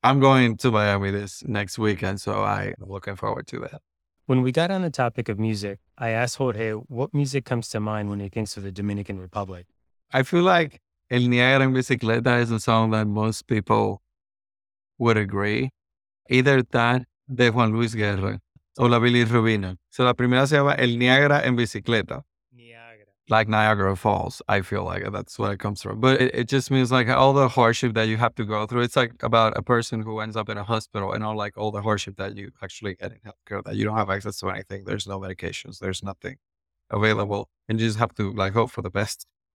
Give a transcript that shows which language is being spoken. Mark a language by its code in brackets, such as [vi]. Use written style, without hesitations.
[en] I'm going to Miami this next weekend, so I'm looking forward to that. When we got on the topic of music, I asked Jorge what music comes to mind when he thinks of the Dominican Republic. I feel like El Niagara en Bicicleta is a song that most people would agree. Either that, de Juan Luis Guerra, or La Billy Rubino. [es] So la primera se llama El Niagara en Bicicleta. [en] Like Niagara Falls, I feel like that's what it comes from. But it just means like all the hardship that you have to go through. It's like about a person who ends up in a hospital and all like all the hardship that you actually get in healthcare, that you don't have access to anything. There's no medications. There's nothing available. And you just have to like hope for the best.